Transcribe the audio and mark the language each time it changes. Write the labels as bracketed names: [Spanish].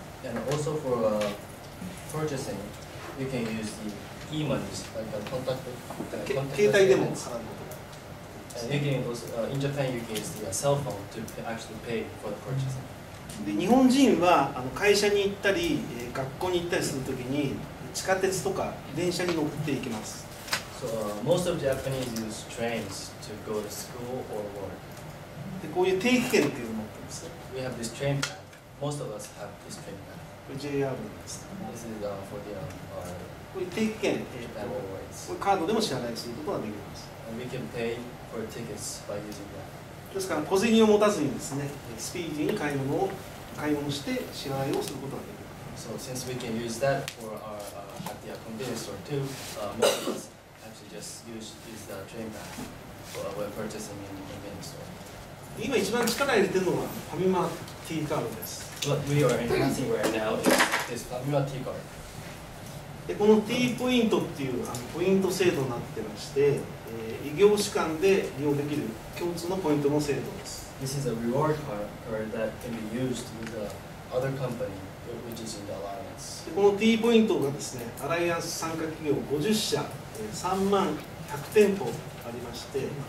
[English] And also for purchasing, you can use the e-money, like a contactless payment. You can also, in Japan, you can use the cell phone to actually pay for the purchasing. [Japanese] で日本人はあの会社に行ったり学校に行ったりするときに地下鉄とか電車に乗っていきます。 [English] So, most of Japanese use trains to go to school or work. [Japanese] でこういう定期券っていうのを持ってます。 [English] We have this train pass. Most of us have this train pass. [Japanese] これ JR です。 [English] This is for the [Japanese] これ定期券。これカードでも支払いすることができます。 [English] And we can pay for tickets by using that. [Japanese] ですから小銭を持たずにですね、スピーディーに買い物して支払いをすることができる。 [English] So since we can use that for our at the convenience store too, most of us actually just use the train pass for when purchasing in the convenience store. [Japanese] 今一番力入れてるのはファミマ T カードです。 [English] What we are enhancing right now is this ファミマ T card. [Japanese] でこの T ポイントっていうポイント制度になってまして。異業種間で利用できる共通のポイントの制度です。 [English] This is a reward card that can be used with the other company which is in the alliance. [Japanese] この T ポイントがですね、アライアンス参加企業50社、3万100店舗ありまして、